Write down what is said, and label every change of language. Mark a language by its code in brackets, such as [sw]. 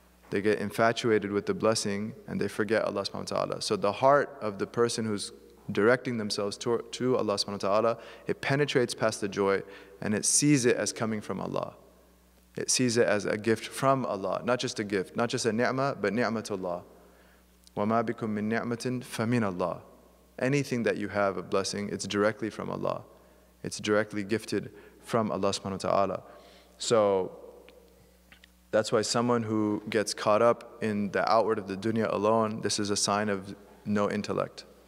[en] They get infatuated with the blessing and they forget Allah subhanahu wa ta'ala. So the heart of the person who's directing themselves to Allah subhanahu wa ta'ala, it penetrates past the joy and it sees it as coming from Allah. It sees it as a gift from Allah, not just a gift, not just a ni'mah, but ni'matullah. [ar] وَمَا بِكُم مِّن ni'matin فَمِنَ اللَّهِ. [en] Anything that you have of blessing, it's directly from Allah. It's directly gifted from Allah subhanahu wa ta'ala. So that's why someone who gets caught up in the outward of the dunya alone, this is a sign of no intellect.